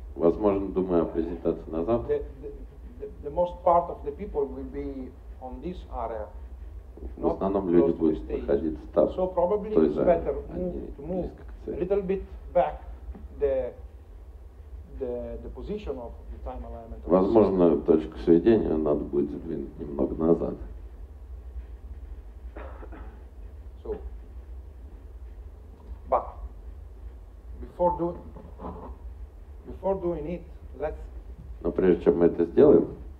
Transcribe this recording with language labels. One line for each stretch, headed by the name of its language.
Russian: Возможно, думая о презентации на завтра.
English: The most part of the people will be on this area.
Russian: В основном люди будут находиться там.
English: So probably
Russian: то есть,
English: it's better to move a little bit back the position of the time alignment.
Russian: Возможно, точку сведения надо будет сдвинуть немного назад.
English: So, but before doing it, let's.
Russian: Но прежде чем мы это сделаем.